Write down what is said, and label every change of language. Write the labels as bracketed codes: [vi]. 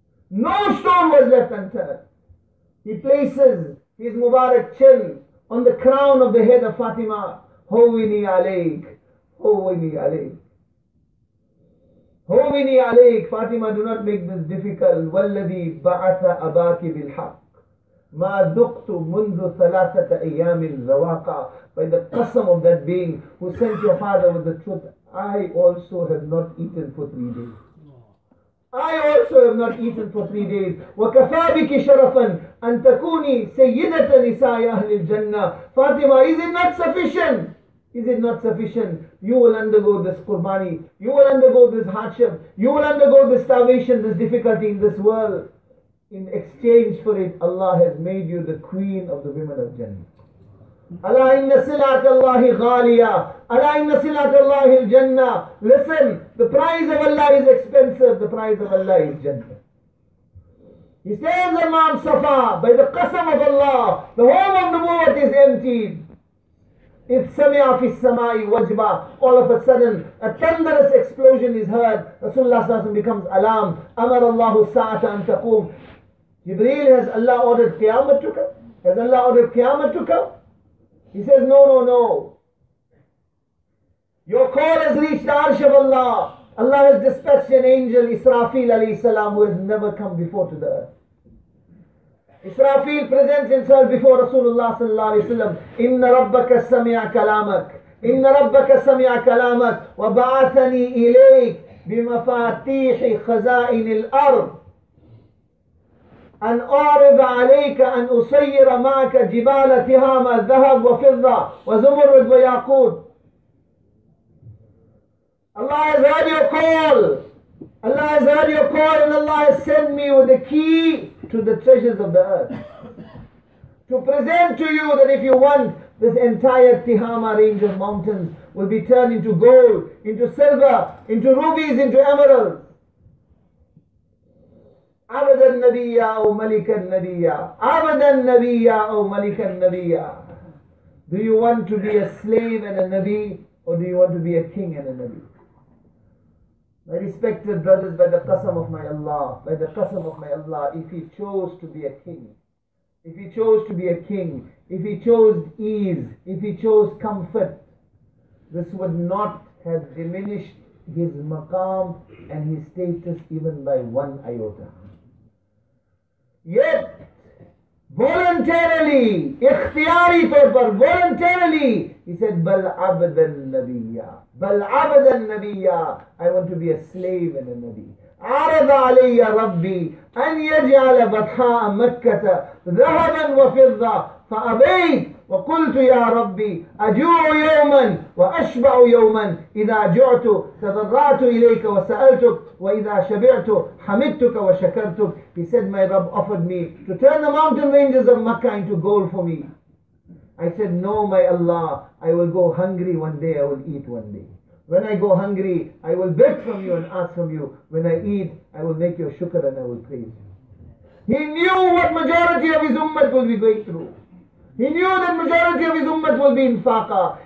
[en] No stone was left unturned. He places his Mubarak chin on the crown of the head of Fatima. [ar] Hawini alayk, hawini alayk. هوني عليك فاطمة, [en] do not make this difficult. [ar] والذي بعث أباك بالحق ما ذقت منذ ثلاثة أيام الزواقة. [en] By the قسم of that being who sent your father with the truth, I also have not eaten for 3 days. I also have not eaten for 3 days. [ar] وكفى بك شرفا أن تكوني سيدة نساء أهل الجنة. [en] Fatima, is it not sufficient? Is it not sufficient? You will undergo this qurbani. You will undergo this hardship. You will undergo this starvation, this difficulty in this world. In exchange for it, Allah has made you the queen of the women of Jannah. [ar] ألا إن سلعة الله غالية ألا إن سلعة الله الجنة. [en] Listen, the price of Allah is expensive. The price of Allah is Jannah. He stands on Mount Safa. By the qasam of Allah, the home of Nubuwwat is emptied. [ar] إِذْ سَمِعَ فِي السَّمَاءِ وَجْبَى. [en] All of a sudden, a thunderous explosion is heard. Rasulullah [ar] صلى الله عليه وسلم [en] becomes alarmed. [ar] أَمَرَ اللَّهُ السَّاعَةَ أَن تَقُومَ. [en] Jibreel, has Allah ordered Qiyamah to come? Has Allah ordered Qiyamah to come? He says, no, no, no. Your call has reached the Arsh of Allah. Allah has dispatched an angel, Israfil alayhi salam, who has never come before to the earth. Israfil presents himself before Rasulullah sallallahu alayhi wasallam. [ar] Inna rabbaka sami'a kalamak. Inna rabbaka sami'a kalamak. Wa ba'athani ilayk bimafatihi khazain al-ard. أن أعرض عليك أن أسير معك جبال تهام الذهب وفضة وزمرد وياقوت. [en] Allah has heard your call. Allah has heard your call and Allah has sent me with the key to the treasures of the earth. To present to you that if you want, this entire Tihama range of mountains will be turned into gold, into silver, into rubies, into emeralds. [ar] عبد النبي أو ملك النبي عبد النبي أو ملك النبي. [en] Do you want to be a slave and a Nabi or do you want to be a king and a Nabi? My respected brothers, by the qasam of my Allah, by the qasam of my Allah, if he chose to be a king, if he chose to be a king, if he chose ease, if he chose comfort, this would not have diminished his maqam and his status even by one iota. Yet, voluntarily, [ur] اختياري طور پر, [en] voluntarily, he said, [ar] بَلْ عَبْدَ النَّبِيَّ بَلْ عَبْدَ النَّبِيَّ. [en] I want to be a slave and a Nabi. [ar] عَرَضَ عَلَيَّ رَبِّي أَنْ يَجْعَلَ بَطْحَاءَ مَكَّةَ ذَهَبًا وَفِضَّةً فَأَبَيْتُ وَقُلْتُ يَا رَبِّي أَجُوعُ يَوْمًا وَأَشْبَعُ يَوْمًا إِذَا جُعْتُ تَضَرَّعْتُ إِلَيْكَ وَسَأَلْتُكَ وَإِذَا شَبِعْتُ حَمِدْتُكَ وَشَكَرْتُكَ. [en] He said, my Rabb offered me to turn the mountain ranges of Makkah into gold for me. I said, no, my Allah, I will go hungry one day, I will eat one day. When I go hungry, I will beg from you and ask from you. When I eat, I will make your shukr and I will praise you. He knew what majority of his ummah will be going through. He knew that majority of his ummah will be in faqa.